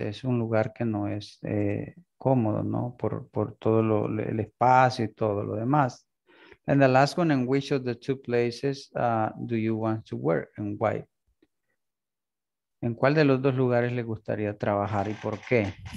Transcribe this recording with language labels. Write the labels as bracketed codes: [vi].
[es] Es un lugar que no es cómodo, ¿no? Por todo el espacio y todo lo demás. [en] And the last one, in which of the two places do you want to work and why? [es] ¿En cuál de los dos lugares le gustaría trabajar y por qué?